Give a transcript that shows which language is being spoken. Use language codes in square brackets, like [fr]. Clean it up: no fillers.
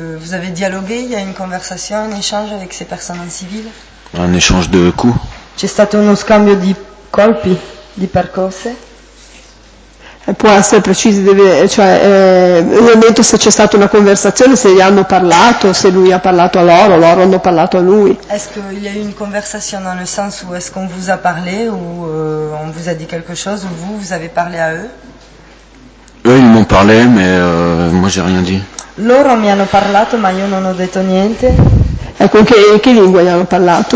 [fr] Vous avez dialogué, il y a une conversation, un échange avec ces personnes en civil? Un échange de coups? [it] C'è stato uno scambio di colpi, di percosse? può essere preciso, deve, cioè ovviamente se c'è stata una conversazione, se gli hanno parlato, se lui ha parlato a loro, loro hanno parlato a lui. [fr] Est-ce qu'il y a eu une conversation dans le sens où est-ce qu'on vous a parlé ou on vous a dit quelque chose ou vous avez parlé à eux? Eux ils m'ont parlé mais moi j'ai rien dit. [it] Loro mi hanno parlato ma io non ho detto niente. Ecco, in che lingua gli hanno parlato?